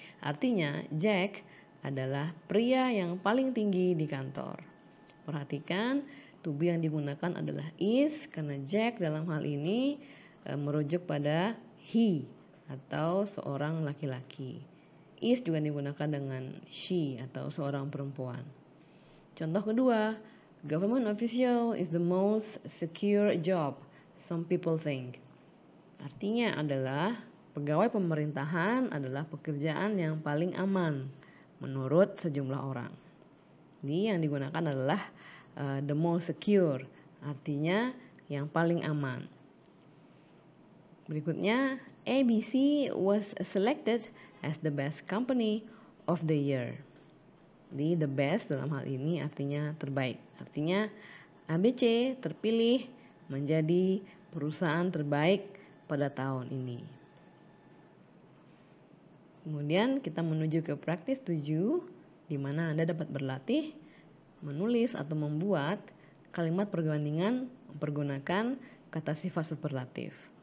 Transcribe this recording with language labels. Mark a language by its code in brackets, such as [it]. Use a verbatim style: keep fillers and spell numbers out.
[id] Artinya Jack adalah pria yang paling tinggi di kantor. Perhatikan to be yang digunakan adalah is karena Jack dalam hal ini e, merujuk pada he atau seorang laki-laki. Is juga digunakan dengan she atau seorang perempuan. Contoh kedua, [en] government official is the most secure job some people think. [id] Artinya adalah pegawai pemerintahan adalah pekerjaan yang paling aman menurut sejumlah orang. Ini yang digunakan adalah uh, the most secure, artinya yang paling aman. Berikutnya, [en] A B C was selected as the best company of the year. [id] Jadi the best dalam hal ini artinya terbaik. Artinya A B C terpilih menjadi perusahaan terbaik pada tahun ini. Kemudian kita menuju ke praktis tujuh, di mana Anda dapat berlatih menulis atau membuat kalimat perbandingan menggunakan kata sifat superlatif.